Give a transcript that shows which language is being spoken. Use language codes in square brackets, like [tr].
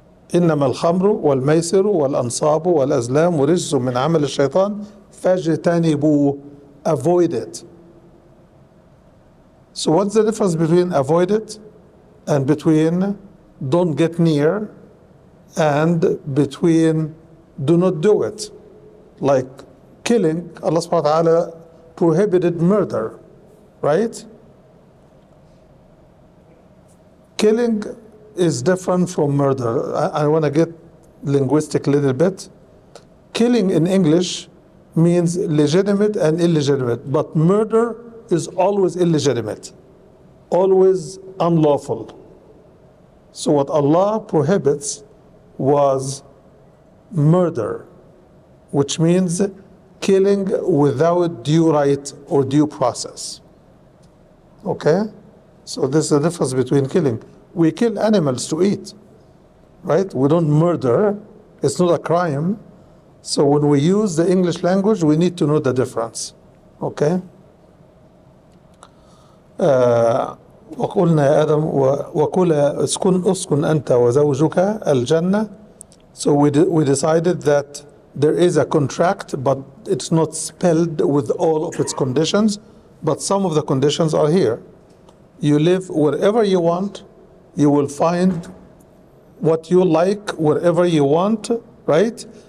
[ar] إِنَّمَا الْخَمْرُ وَالْمَيْسِرُ وَالْأَنصَابُ وَالْأَزْلَامُ رِجْسٌ مِّنْ عَمَلِ الشَّيْطَانِ فَاجْتَنِبُوا, [en] avoid it. So what's the difference between avoid it and between don't get near and between do not do it? Like killing, Allah subhanahu wa ta'ala prohibited murder, right? Killing is different from murder. I want to get linguistic a little bit. Killing in English means legitimate and illegitimate, but murder is always illegitimate, always unlawful. So what Allah prohibits was murder, which means killing without due right or due process. Okay? So this is the difference between killing. We kill animals to eat, right? We don't murder. It's not a crime. So when we use the English language, we need to know the difference. Okay? [ar] وقلنا يا آدم وكل اسكن أنت وزوجك الجنة. [en] So we decided that there is a contract, but it's not spelled with all of its conditions, but some of the conditions are here. You live wherever you want, you will find what you like wherever you want, right?